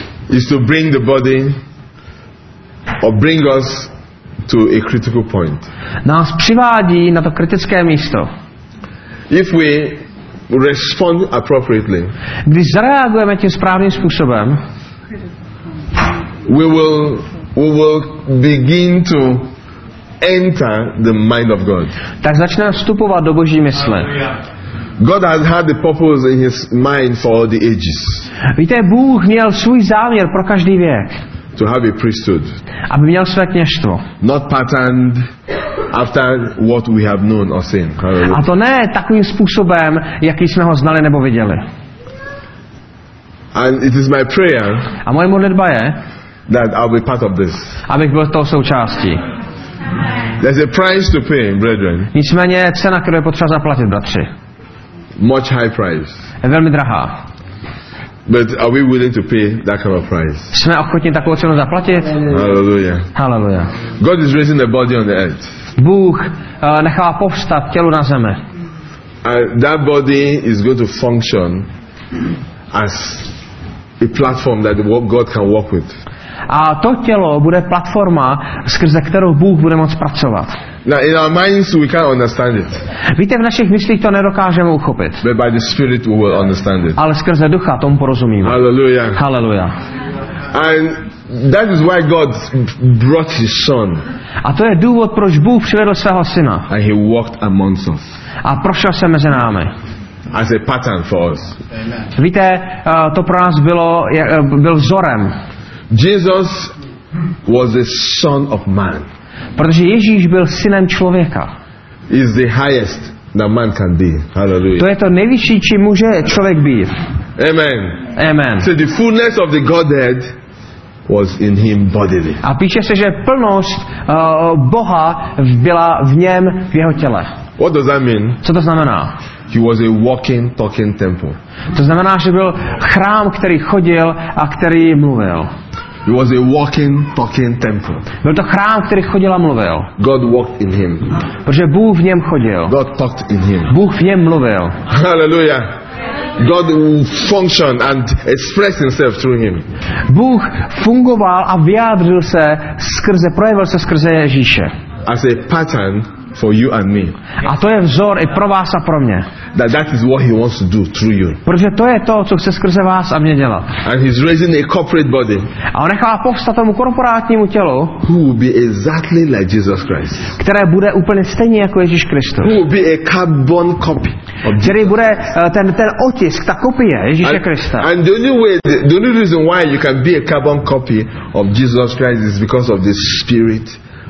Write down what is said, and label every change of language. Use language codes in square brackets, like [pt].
[en] Is to bring the body. Or bring us to a critical point. [cs] Nás přivádí na to kritické místo. [en] If we respond appropriately. [cs] Když zareagujeme tím správným způsobem. [en] We will begin to enter the mind of God. [cs] Tak začneme vstupovat do Boží mysle. [en] God has had the purpose in his mind for all the ages. [cs] Víte, Bůh měl svůj záměr pro každý věk. [en] To have a priesthood. [cs] Aby měl své kněžstvo. [en] Not patterned after what we have known or seen. [cs] A to ne takovým způsobem, jaký jsme ho znali nebo viděli. [en] And it is my prayer. [cs] A moje modlitba je, [en] that I'll be part of this. [cs] Abych byl toho součástí. [en] There's a price to pay, brethren. [cs] Nicméně je cena, kterou je potřeba zaplatit, bratři. [en] Much high price. [cs] Je velmi drahá. [en] But are we willing to pay that kind of price? [cs] Jsme ochotni takovou cenu zaplatit? Hallelujah. Hallelujah. [en] God is raising a body on the earth. [cs] Bůh nechává povstat tělo na zemi. [en] And that body is going to function as a platform that God can work with. [cs] A to tělo bude platforma, skrze kterou Bůh bude moct pracovat. [en] Now in our minds we can't understand it. [cs] Víte, v našich myslích to nedokážeme uchopit. [en] But by the Spirit we will understand it. [cs] Ale skrze ducha tomu porozumíme. Hallelujah. Hallelujah. [en] And that is why God brought his son. [cs] A to je důvod, proč Bůh přivedl svého syna. [en] And he walked amongst us. [cs] A prošel se mezi námi. [en] As a pattern for us. Amen. [cs] Víte, to pro nás byl vzorem. [en] Jesus was the son of man. [cs] Protože Ježíš byl synem člověka. [en] Is the highest that man can be. Hallelujah. [cs] To je to nejvyšší, či může člověk být. Amen. Amen. [en] So the fullness of the Godhead was in him bodily. [cs] A píše se, že plnost Boha byla v něm, v jeho těle. [en] What does that mean? [cs] Co to znamená? [en] He was a walking, talking temple. [cs] To znamená, že byl chrám, který chodil a který mluvil. [en] It was a walking, talking temple. [cs] Byl to chrám, který chodil a mluvil. [en] God walked in him. [cs] Protože Bůh v něm chodil. [en] God talked in him. [cs] Bůh v něm mluvil. [en] Hallelujah. God functioned and expressed himself through him. [cs] Bůh fungoval a vyjádřil se skrze, projevil se skrze Ježíše. [en] As a pattern for you and me. [cs] A to je vzor i pro vás a pro mě. [en] That is what he wants to do through you. [cs] Protože to je to, co chce skrze vás a mě dělat. [en] And he's raising a corporate body. [cs] A on nechává povstat tomu korporátnímu tělu. [en] Who will be exactly like Jesus Christ? [cs] Které bude úplně stejně jako Ježíš Kristus. [en] Who will be a carbon copy? [cs] Který bude ten otisk, ta kopie Ježíše Krista. [en] And the only reason why you can be a carbon copy of Jesus Christ is because of the Spirit.